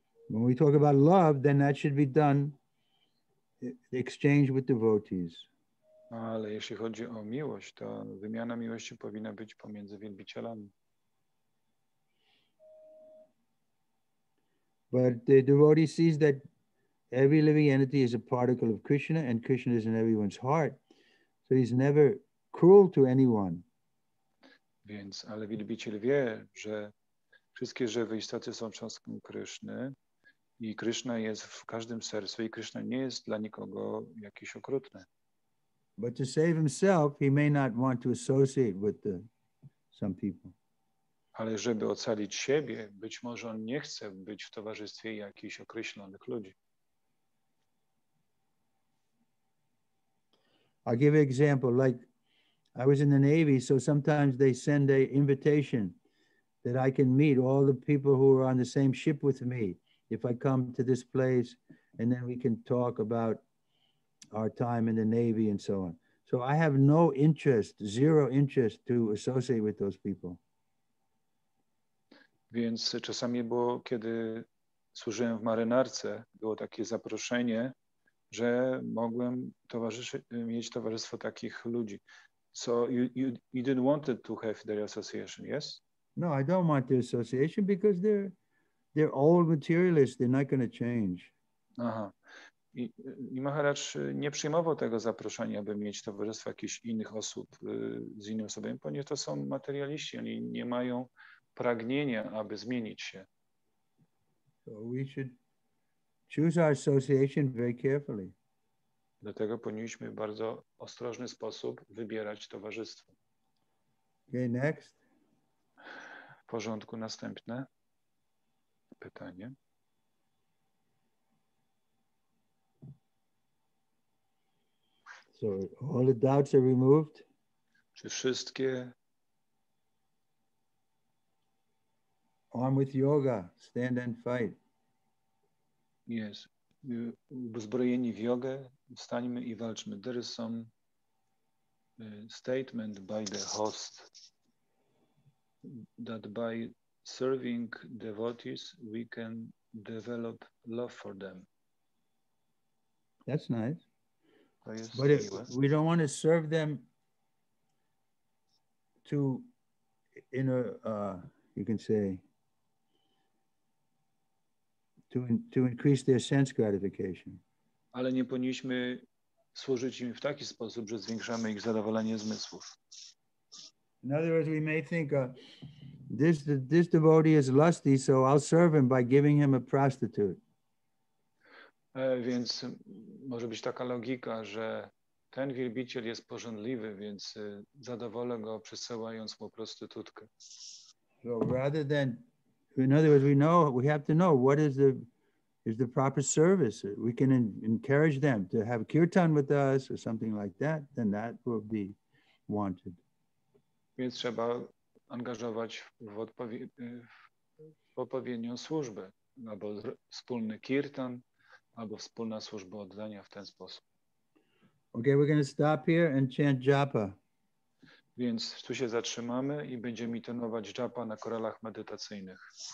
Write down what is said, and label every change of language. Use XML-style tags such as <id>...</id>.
<en>When we talk about love, then that should be done in exchange with devotees.</en> <pl>Ale jeśli chodzi o miłość, to wymiana miłości powinna być pomiędzy wielbicielami.</pl> <en>But the devotee sees that every living entity is a particle of Krishna, and Krishna is in everyone's heart. So he's never cruel to anyone.</en> <pl>Więc, ale wielbiciel wie, że wszystkie żywe istoty są cząstką Kryszny i Kryszna jest w każdym sercu i Kryszna nie jest dla nikogo jakiś okrutny.</pl> <en>But to save himself, he may not want to associate with the, some people.</en> <pl>Ale żeby ocalić siebie, być może on nie chce być w towarzystwie jakichś określonych ludzi.</pl> <en>I'll give an example, like I was in the Navy, so sometimes they send an invitation that I can meet all the people who are on the same ship with me if I come to this place, and then we can talk about our time in the Navy and so on. So I have no interest, zero interest to associate with those people.</en> <pl>Więc czasami było, kiedy służyłem w marynarce, było takie zaproszenie, że mogłem mieć towarzystwo takich ludzi.</pl> <en>So you didn't want to have their association, yes? No, I don't want their association because they're old materialists, they're not going to change. Aha.</en> <pl>I Maharaj nie przyjmował tego zaproszenia, aby mieć towarzystwo jakichś innych osób z innym sobą, ponieważ to są materialiści, oni nie mają pragnienia, aby zmienić się.</pl> <en>So we should choose our association very carefully.</en> <pl>Dlatego powinniśmy w bardzo ostrożny sposób wybierać towarzystwo.</pl> <en>Okay, next.</en> <pl>W porządku, następne pytanie.</pl> <en>So all the doubts are removed?</en> <pl>Czy wszystkie?</pl> <en>Arm with yoga, stand and fight. Yes.</en> <pl>Uzbrojeni w jogę, stańmy i walczmy.</pl> <en>There is some statement by the host that by serving devotees, we can develop love for them. That's nice. But if we don't want to serve them to, in a, you can say, to increase their sense gratification.</en> <pl>Ale nie powinniśmy służyć im w taki sposób, że zwiększamy ich zadowolenie zmysłów.</pl> <en>In other words, we may think this devotee is lusty, so I'll serve him by giving him a prostitute.</en> <pl>Więc może być taka logika, że ten wielbiciel jest pożądliwy, więc zadowolę go przesyłając mu prostytutkę.</pl> <en>So rather than, in other words, we have to know what is the proper service. We can encourage them to have kirtan with us or something like that, then that will be wanted.</en> <pl>Więc trzeba angażować w odpowiednią służbę, albo wspólny kirtan, albo wspólna służba oddania w ten sposób.</pl> <en>Okay, we're going to stop here and chant japa.</en> <pl>Więc tu się zatrzymamy i będziemy intonować japa na koralach medytacyjnych.</pl>